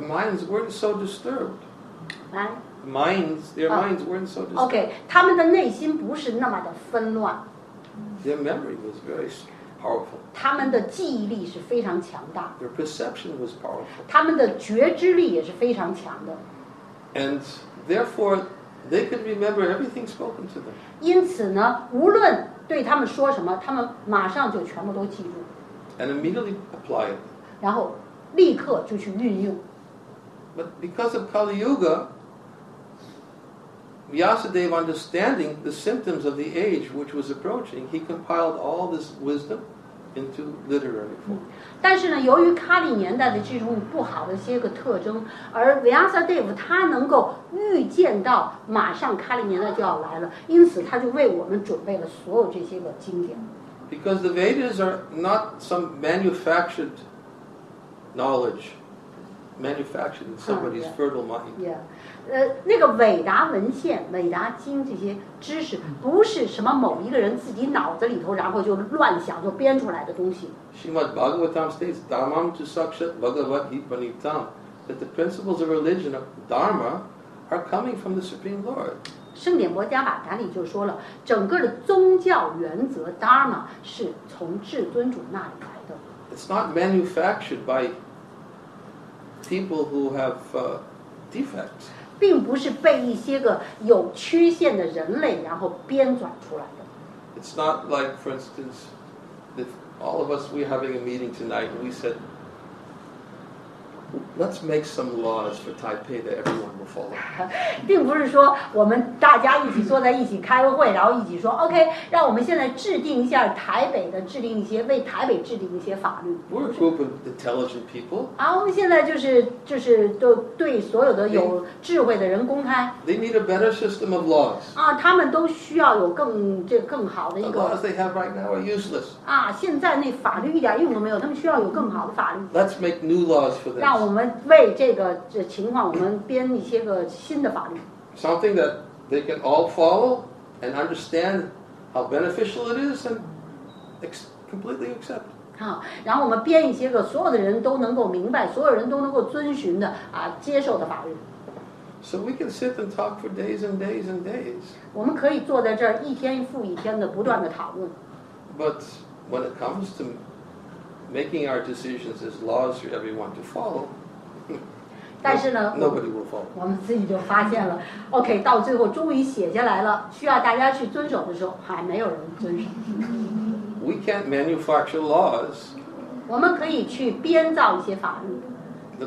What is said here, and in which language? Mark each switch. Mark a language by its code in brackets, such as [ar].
[en] The minds weren't so disturbed. Right? Minds, their minds weren't so disturbed. [zh] Okay, 他们的内心不是那么的纷乱。 [en] Their memory was very powerful. [zh] 他们的记忆力是非常强大。 [en] Their perception was powerful. [zh] 他们的觉知力也是非常强的。 [en] And therefore, they could remember everything spoken to them. [zh] 因此呢，无论对他们说什么，他们马上就全部都记住。 [en] And immediately apply it. [zh] 然后立刻就去运用。 [en] But because of Kali Yuga, Vyasadeva, understanding the symptoms of the age which was approaching, he compiled all this wisdom into literary form. [zh] 但是呢，由于卡利年代的这种不好的一些个特征，而 Vyasadeva 他能够预见到马上卡利年代就要来了，因此他就为我们准备了所有这些个经典。 [en] Because the Vedas are not some manufactured knowledge manufactured in somebody's fertile mind. Yeah. [zh] 那个伟达文献、伟达经这些知识，不是什么某一个人自己脑子里头然后就乱想就编出来的东西。 [en] Srimad Bhagavatam states, [sa] Dharmam tu sakshat Bhagavat hipanitam, [en] that the principles of religion of Dharma are coming from the Supreme Lord. [zh] 圣典摩迦瓦坦里就说了，整个的宗教原则 Dharma 是从至尊主那里来的。 [en] It's not manufactured by people who have defects. [zh] 并不是被一些个有缺陷的人类然后编纂出来的。 [en] It's not like, for instance, if all of us we're having a meeting tonight, we said, let's make some laws for Taipei that everyone will follow. [zh] 并不是说我们大家一起坐在一起开会，然后一起说 OK， 让我们现在制定一下台北的制定一些为台北制定一些法律。 [en] We're a group of intelligent people. [zh] 啊，我们现在就是都对所有的有智慧的人公开。 [en] They need a better system of laws. [zh] 啊，他们都需要有更好的一个。 [en] The laws they have right now are useless. [zh] 啊，现在那法律一点用都没有，他们需要有更好的法律。 [en] Let's make new laws for them. [zh] 让我们为这情况，我们编一些个新的法律。 [en] Something that they can all follow and understand how beneficial it is and completely accept. [zh] 好，然后我们编一些个所有的人都能够明白，所有人都能够遵循的啊，接受的法律。 [en] So we can sit and talk for days and days and days. [zh] 我们可以坐在这儿一天复一天的不断的讨论。 [en] But when it comes to making our decisions as laws for everyone to follow. [zh] 但是呢 [en] nobody will follow. [zh] 我们自己就发现了 OK 到最后终于写下来了需要大家去遵守的时候还没有人遵守。 [en] We can't manufacture laws. [zh] 我们可以去编造一些法律。